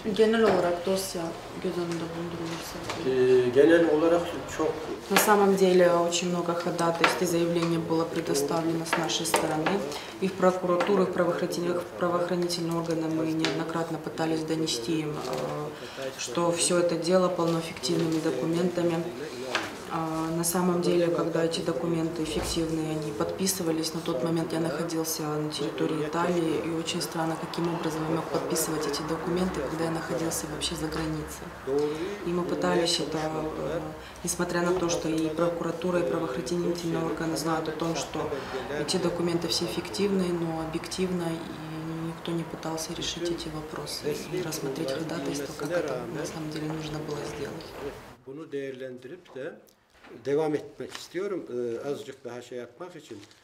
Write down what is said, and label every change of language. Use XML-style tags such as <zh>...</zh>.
<tr>Genel olarak dosya göz önünde bulundurulursa. Genel olarak çok...</tr> <ru>На самом деле очень много ходатайств и заявлений было предоставлено с нашей стороны. И в прокуратуру, и в правоохранительные органы мы неоднократно пытались донести им, что все это дело полно фиктивными документами. На самом деле, когда эти документы фиктивные, они подписывались, на тот момент я находился на территории Италии, и очень странно, каким образом я мог подписывать эти документы, когда я находился вообще за границей. И мы пытались это, несмотря на то, что и прокуратура, и правоохранительные органы знают о том, что эти документы все фиктивные, но объективно, и никто не пытался решить эти вопросы и рассмотреть ходатайство, как это на самом деле нужно было сделать.</ru> <tr>Bunu değerlendirip de devam etmek istiyorum azıcık daha şey yapmak için.</tr>